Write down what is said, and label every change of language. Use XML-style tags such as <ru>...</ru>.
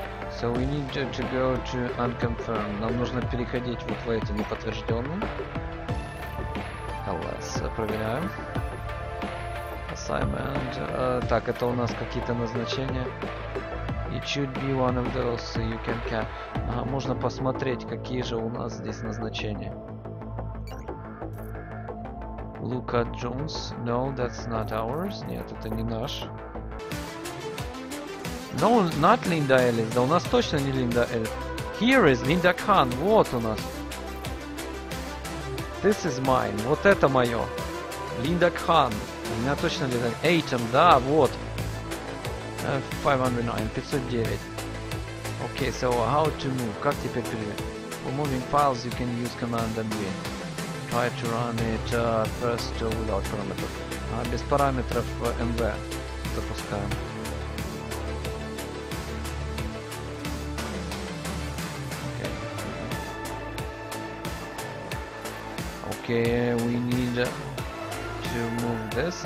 <en>So we need to go to unconfirmed.</en> <ru>Нам нужно переходить вот в эти неподтвержденные. LS, проверяем. Assignment. Так, это у нас какие-то назначения.</ru> <en>It should be one of those you can cap.</en> <ru>Можно посмотреть, какие же у нас здесь назначения.</ru> <en>Luca Jones. No, that's not ours.</en> <ru>Нет, это не наш.</ru> <en>No, not Linda Ellis.</en> <ru>Да у нас точно не Linda Ellis.</ru> <en>Here is Linda Khan.</en> <ru>Вот у нас.</ru> <en>This is mine.</en> <ru>Вот это мое. Linda Khan. У меня точно Linda Khan. Aiton, да, вот. 509, 509.</ru> <en>Okay, so how to move?</en> <ru>Как теперь перевести?</ru> <en>For moving files, you can use command and V. Try to run it first without parameters.</en> <ru>Без параметров MV запускаем.</ru> <en>Okay, we need to move this.</en>